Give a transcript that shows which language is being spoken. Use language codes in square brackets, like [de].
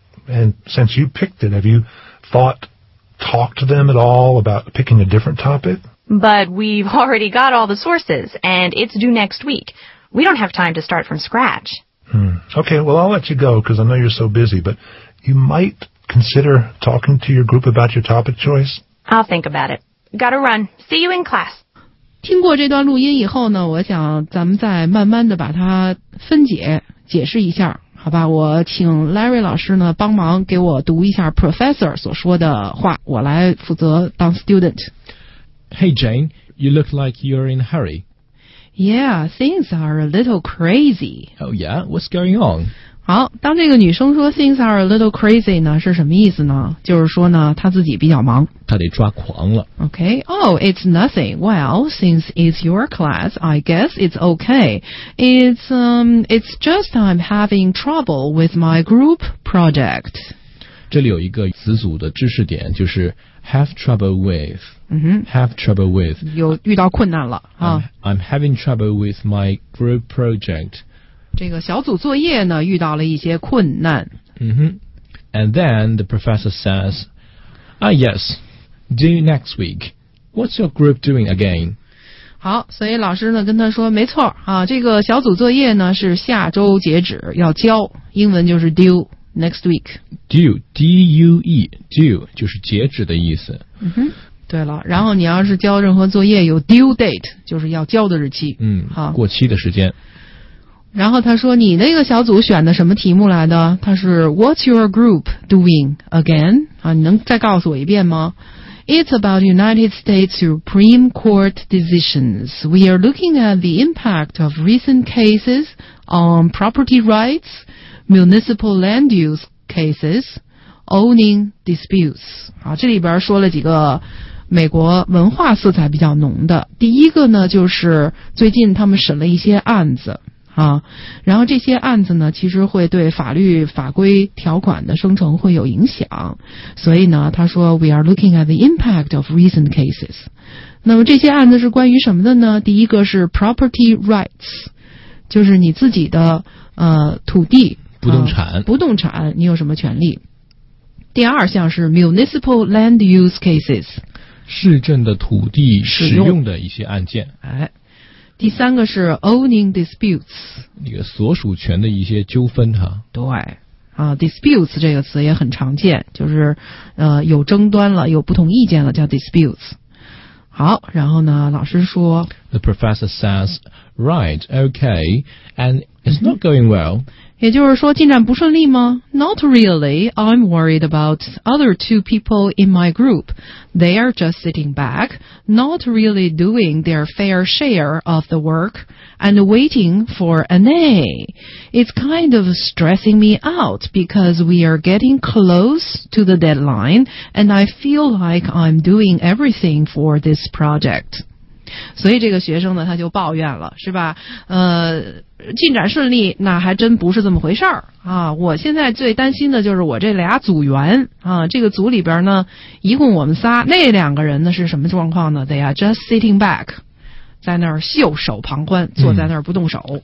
[en] And since you picked it, have you talked to them at all about picking a different topic? But we've already got all the sources, and it's due next week. We don't have time to start from scratch. Okay, well, I'll let you go, because I know you're so busy, but you might consider talking to your group about your topic choice. I'll think about it. Gotta run. See you in class. [zh] 听过这段录音以后呢，我想咱们再慢慢的把它分解解释一下好吧，我请 Larry 老师呢帮忙给我读一下 professor 所说的话，我来负责当 student。 [en] Hey Jane, you look like you're in a hurry. Yeah, things are a little crazy. Oh yeah, what's going on? [zh] 好，当这个女生说 [en] things are a little crazy [zh] 呢，是什么意思呢？就是说呢，她自己比较忙，她得抓狂了。 [en] Okay, oh, it's nothing. Well, since it's your class, I guess it's okay. It's just I'm having trouble with my group project. [zh] 这里有一个词组的知识点，就是 [en] have trouble with. Have trouble with. [zh] 有遇到困难了啊。 [en] I'm having trouble with my group project. [zh] 这个小组作业呢遇到了一些困难。 [en] And then the professor says, Ah yes, do next week. What's your group doing again? [zh] 好，所以老师呢跟他说，没错啊，这个小组作业呢是下周截止要交，英文就是 [en] due next week. [zh] Due, D-U-E, due 就是截止的意思。嗯哼，对了，然后你要是交任何作业有 due date, 就是要交的日期。嗯，好，过期的时间。然后他说你那个小组选的什么题目来的，他是 [en] What's your group doing again? [zh] 啊，你能再告诉我一遍吗？ [en] It's about United States Supreme Court decisions. We are looking at the impact of recent cases on property rights, municipal land use cases, owning disputes. [zh] 啊，这里边说了几个美国文化色彩比较浓的。第一个呢，就是最近他们审了一些案子啊，然后这些案子呢，其实会对法律法规条款的生成会有影响，所以呢，他说 ， [en] We are looking at the impact of recent cases。 [zh] 那么这些案子是关于什么的呢？第一个是 property rights， 就是你自己的土地、不动产、不动产，你有什么权利？第二项是 municipal land use cases，市政的土地使用的一些案件。哎。第三个是 owning disputes，那个所属权的一些纠纷哈。对啊 ，disputes 这个词也很常见，就是有争端了，有不同意见了，叫 disputes。好，然后呢，老师说 [en] ，The professor says, right, okay, and it's not going well。 [zh] 也就是说进展不顺利吗 ？ [en] Not really. I'm worried about other two people in my group. They are just sitting back, not really doing their fair share of the work, and waiting for an A. It's kind of stressing me out because we are getting close to the deadline, and I feel like I'm doing everything for this project. [zh] 所以这个学生呢，他就抱怨了，是吧？进展顺利，那还真不是这么回事儿啊！我现在最担心的就是我这俩组员啊，这个组里边呢，一共我们仨，那两个人呢是什么状况呢 ？ [en] They are just sitting back， [zh] 在那儿袖手旁观，坐在那儿不动手。